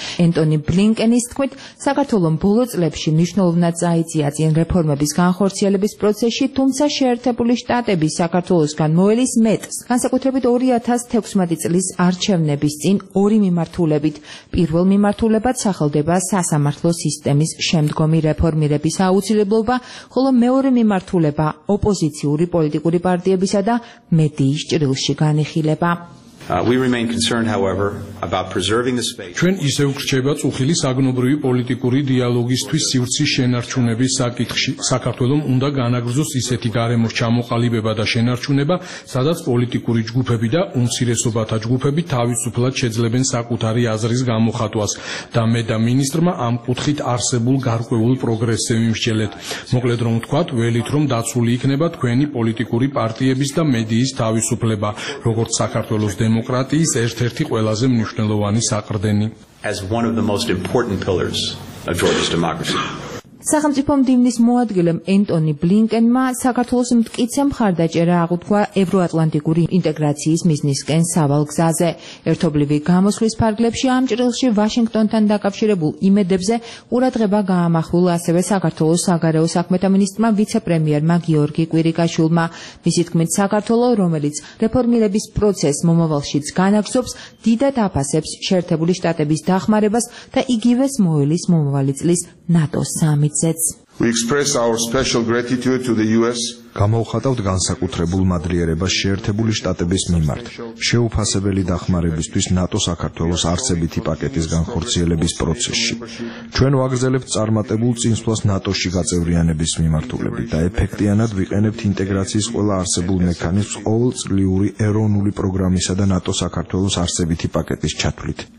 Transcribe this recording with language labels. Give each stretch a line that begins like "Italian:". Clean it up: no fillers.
Georgian: ენტონი ბლინკენის თქმით, საქართველომ ბოლო წლებში მნიშვნელოვნად წაიწია წინ რეფორმების განხორციელების პროცესში, თუმცა შეერთებული შტატები საქართველოსგან მოელის მეტს, განსაკუთრებით 2016 წლის არჩევნების წინ ორი მიმართულებით. პირველ მიმართულებად სახელდება სასამართლო სისტემის შემდგომი რეფორმირების აუცილებლობა, ხოლო მეორე მიმართულება ოპოზიციური პოლიტიკური პარტიებისა და მედიის ჭრილში განიხილება.
English: We remain concerned however about preserving the space.
Georgian: ჩვენ ისევ გრჩება წუხილის აგნობრივი პოლიტიკური დიალოგისთვის სივრცის შენარჩუნების საკითხში. საქართველოს უნდა განაგრძოს ისეთი გარემოს ჩამოყალიბება და შენარჩუნება, სადაც პოლიტიკური ჯგუფები და უმცირესობათა ჯგუფები თავისუფლად შეძლებენ საკუთარი აზრის გამოხატვას და მე და მინისტრმა ამ კუთხით არსებულ გარკვეულ პროგრესზე მიმსჯელეთ. მოკლედ რომ ვთქვათ, ველით რომ დაცული იქნება თქვენი პოლიტიკური პარტიების და მედიის თავისუფლება, როგორც საქართველოს დემოკრატიის ერთ-ერთი ყველაზე მნიშვნელოვანი საყრდენი.
English: As one of the most important pillars of Georgia's democracy.
Georgian: სახელმწიფო მდივნის მოადგილემ ენტონი ბლინკენმა საქართველოს მტკიცე მხარდაჭერა აღუთქვა ევროატლანტიკური ინტეგრაციის მიზნისკენ სავალ გზაზე. ერთობლივი გამოსვლის ფარგლებში ამ ჭრილში ვაშინგტონთან დაკავშირებულ იმედებზე ყურადღება გაამახვილა ასევე საქართველოს საგარეო საქმეთა მინისტრმა ვიცე-პრემიერმა გიორგი კვირიკაშვილმა. მისი თქმით, საქართველო, რომელიც რეფორმირების პროცესს მომავალშიც განაგრძობს, დიდად აფასებს შეერთებული შტატების დახმარებას და იგივეს მოელის მომავალი წლის ნატოს სამიცეც.
English: We express our special gratitude to the US.
Georgian: გამოვხატავთ განსაკუთრებულ მადლიერებას შეერთებული შტატების მიმართ. შეუფასებელი დახმარებისთვის ნატო საქართველოს არსებითი პაკეტის განხორციელების პროცესში. ჩვენ ვაგრძელებთ წარმატებულ წინსვლას ნატოში გაწევრიანების მიმართულებით და ეფექტიანად ვიყენებთ ინტეგრაციის ყველა არსებულ მექანიზმს ყოველწლიური ეროვნული პროგრამისა და ნატო საქართველოს არსებითი პაკეტის ჩათვლით.